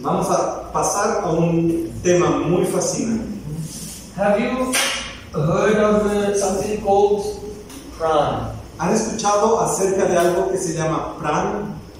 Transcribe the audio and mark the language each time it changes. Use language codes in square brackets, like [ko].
[es] Vamos a pasar a un tema muy fascinante. [en] Have you heard of something called Prem? [es] ¿Han escuchado acerca de algo que se llama Prem?